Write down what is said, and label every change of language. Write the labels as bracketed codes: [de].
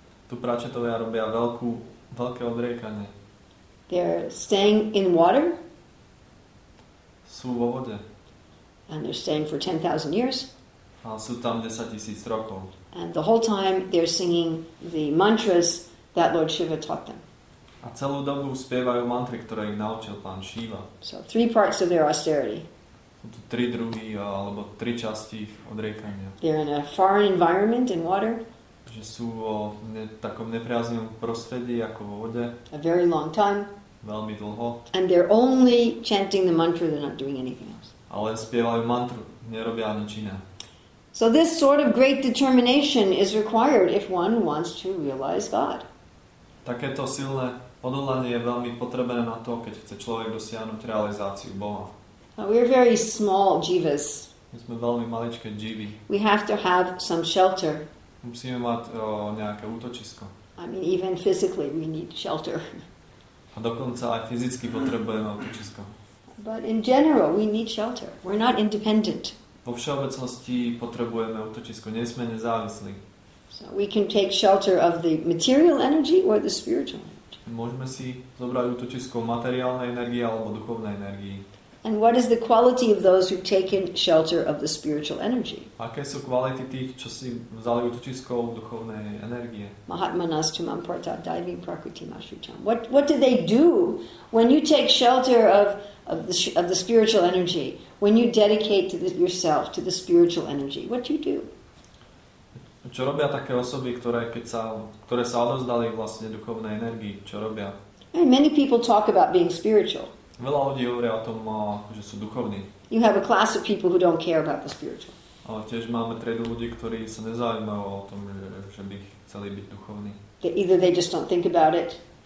[sk] Tu Prachetovia robia veľké odriekanie. [en] They're staying in water. [sk] Sú vo vode. [en] And they're staying for 10,000 years. [sk] A sú tam 10,000 rokov. [en] And the whole time they're singing the mantras that Lord Shiva taught them. [sk] A celú dobu spievajú mantry, ktoré ich naučil pán Shiva. [en] So three parts of their austerity. [sk] Sú to tri druhy alebo tri časti odriekania. [en] They're in a foreign environment in water. [sk] Že sú vo takom nepriaznivom prostredí ako vo vode. [en] A very long time. [sk] Veľmi dlho. [en] And they're only chanting the mantra, they're not doing anything else. [sk] Ale spievajú mantru, nerobia nič iné. [en] So this sort of great determination is required if one wants to realize God. [sk] Takéto silné odhodlanie je veľmi potrebné na to, keď chce človek dosiahnuť realizáciu Boha. [en] Now we are very small jivas. [sk] My sme veľmi maličké jivy. [en] We have to have some shelter. [sk] Musíme mať nejaké útočisko. [en] I mean, even physically we need shelter. [sk] A dokonca aj fyzicky potrebujeme útočisko. [en] But in general we need shelter. We're not independent. [sk] Vo všeobecnosti potrebujeme útočisko. Nie sme nezávislí. [en] So we can take shelter of the material energy or the spiritual energy. [sk] Môžeme si zobrať útočisko materiálnej energie alebo duchovnej energie. [en] And what is the quality of those who've taken shelter of the spiritual energy? [sk] Aké sú kvality tých, čo si vzali útočisko duchovnej energie? [sa] Mahatmanas tu mam porta divi prakriti mashucham. [en] What do they do when you take shelter of the spiritual energy? When you dedicate yourself to the spiritual energy, what do? [sk] Čo robia také osoby, ktoré sa odovzdali vlastne duchovnej energii? Čo robia? [en] And many people talk about being spiritual. [sk] Veľa ľudí hovorí o tom, že sú duchovní. [en] You have a class of people who don't care about the spiritual. [sk] Ale tiež máme triedu ľudí, ktorí sa nezaujímajú o tom, že by chceli byť duchovní. [en] Either they just don't think about it.